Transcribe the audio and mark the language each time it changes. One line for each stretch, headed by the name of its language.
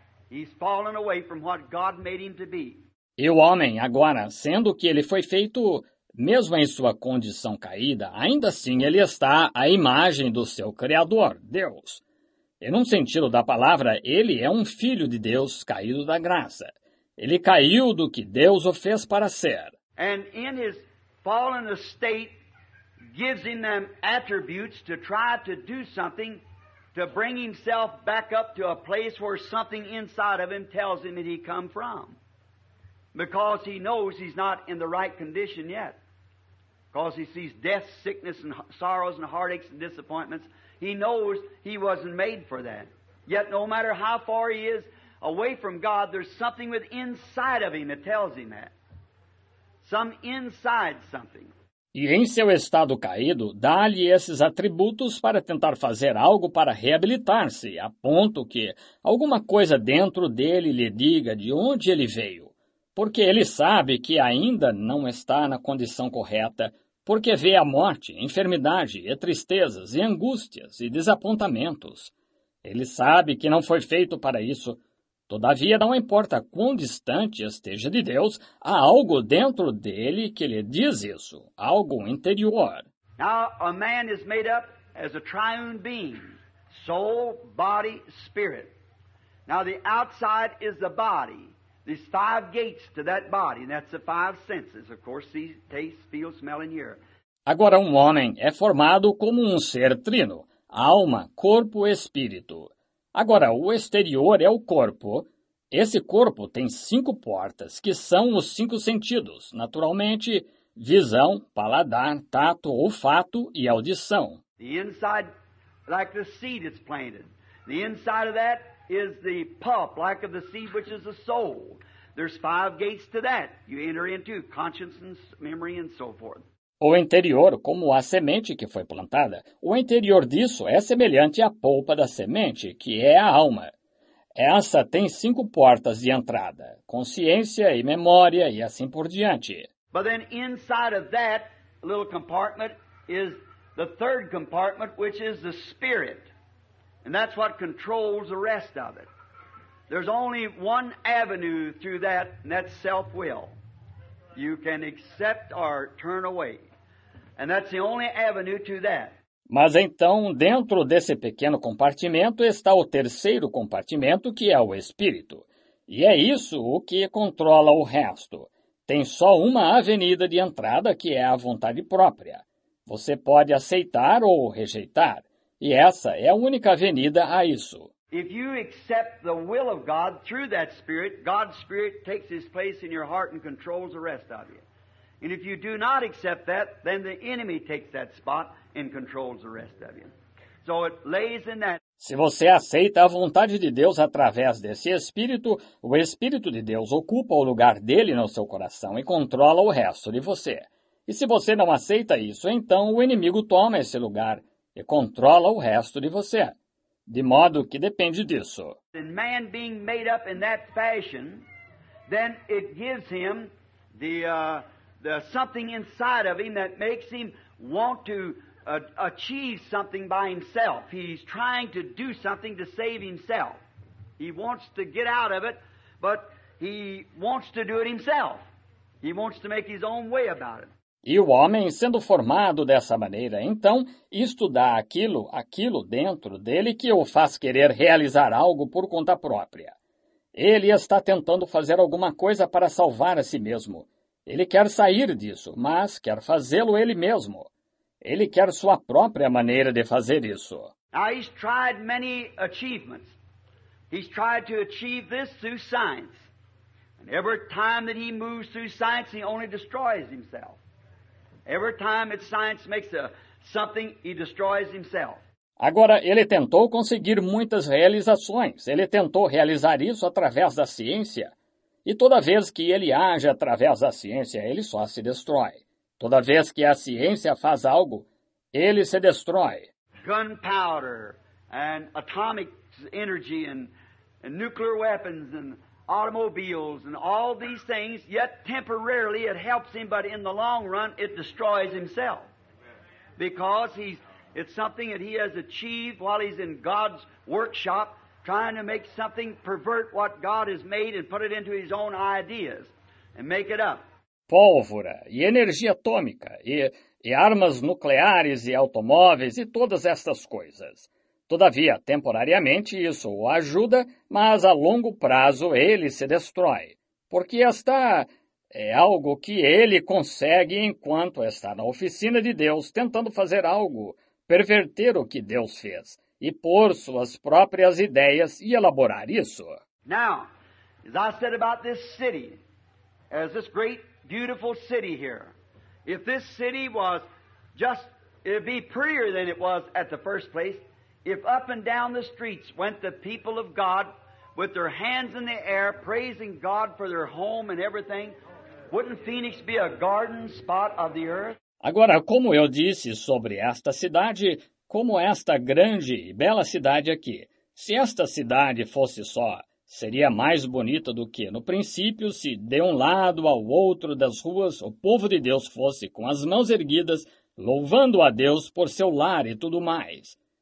English: He's fallen away from what God made him to be.
Portuguese: E o homem, agora, sendo que ele foi feito, mesmo em sua condição caída, ainda assim ele está à imagem do seu Criador, Deus. E num sentido da palavra, ele é um filho de Deus caído da graça. Ele caiu do que Deus o fez para ser.
English: And in his fallen estate, gives him them attributes to try to do something to bring himself back up to a place where something inside of him tells him that he come from. Because he knows he's not in the right condition yet. Because he sees death, sickness, and sorrows, and heartaches, and disappointments. He knows he wasn't made for that. Yet no matter how far he is away from God, there's something with inside of him that tells him that. Some inside something.
Portuguese: E em seu estado caído, dá-lhe esses atributos para tentar fazer algo para reabilitar-se, a ponto que alguma coisa dentro dele lhe diga de onde ele veio. Porque ele sabe que ainda não está na condição correta, porque vê a morte, enfermidade e tristezas e angústias e desapontamentos. Ele sabe que não foi feito para isso. Todavia, não importa quão distante esteja de Deus, há algo dentro dele que lhe diz isso, algo interior.
English: Now, a man is made up as a triune being, soul, body, spirit. Now, the outside is the body. There's five gates to that body, and that's the five senses, of course, see, taste, feel, smell, and hear.
Portuguese: Agora, um homem é formado como um ser trino, alma, corpo e espírito. Agora, o exterior é o corpo. Esse corpo tem cinco portas, que são os cinco sentidos, naturalmente, visão, paladar, tato, olfato e audição.
English: The inside, like the seed that's planted. The inside of that is the pulp, like of the seed, which is the soul. There's five gates to that. You enter into conscience and memory and so forth.
Portuguese: O interior, como a semente que foi plantada, o interior disso é semelhante à polpa da semente, que é a alma. Essa tem cinco portas de entrada, consciência e memória e assim por diante.
English: But then inside of that little compartment is the third compartment, which is the spirit. And that's what controls the rest of it. There's only one avenue through that, and that's self-will. You can accept or turn away. And that's the only avenue to that.
Portuguese: Mas então, dentro desse pequeno compartimento está o terceiro compartimento, que é o espírito. E é isso o que controla o resto. Tem só uma avenida de entrada, que é a vontade própria. Você pode aceitar ou rejeitar. E essa é a única avenida a isso.
English: If you accept the will of God through that spirit, God's spirit takes his place in your heart and controls the rest of you. And if you do not accept that, then the enemy takes that spot and controls the rest of you. So it lays in that.
Portuguese: Se você aceita a vontade de Deus através desse espírito, o espírito de Deus ocupa o lugar dele no seu coração e controla o resto de você. E se você não aceita isso, então o inimigo toma esse lugar e controla o resto de você. De modo que depende disso.
English: And man being made up in that fashion, then it gives him the something inside of him that makes him want to achieve something by himself. He's trying to do something to save himself. He wants to get out of it, but he wants to do it himself. He wants to make his own way about it.
Portuguese: E o homem, sendo formado dessa maneira, então, isto dá aquilo dentro dele que o faz querer realizar algo por conta própria. Ele está tentando fazer alguma coisa para salvar a si mesmo. Ele quer sair disso, mas quer fazê-lo ele mesmo. Ele quer sua própria maneira de fazer isso.
English: Now he's tried many achievements. He's tried to achieve this through science. And every time that he moves through science, he only destroys himself. Every time that science makes something, he destroys himself.
Portuguese: Agora, ele tentou conseguir muitas realizações. Ele tentou realizar isso através da ciência. E toda vez que ele age através da ciência, ele só se destrói. Toda vez que a ciência faz algo, ele se destrói.
English: Gunpowder, and atomic energy, and nuclear weapons, and automobiles and all these things, yet temporarily it helps him, but in the long run it destroys himself. Because it's something that he has achieved while he's in God's workshop, trying to make something pervert what God has made and put it into his own ideas and make it up.
Portuguese: Pólvora e energia atômica e armas nucleares e automóveis e todas essas coisas. Todavia, temporariamente, isso o ajuda, mas a longo prazo ele se destrói. Porque esta é algo que ele consegue enquanto está na oficina de Deus, tentando fazer algo, perverter o que Deus fez, e pôr suas próprias ideias e elaborar isso.
English: Now, as I said about this city, as this great, beautiful city here, if this city was just, it'd be prettier than it was at the first place, if up and down the streets went the people of God with their hands in the air, praising God for their home and everything, wouldn't Phoenix be a garden spot of the earth?
Portuguese: Agora, como eu disse sobre esta cidade, como esta grande e bela cidade aqui, se esta cidade fosse só, seria mais bonita do que no princípio se de um lado ao outro das ruas o povo de Deus fosse com as mãos erguidas, louvando a Deus por seu lar e tudo mais.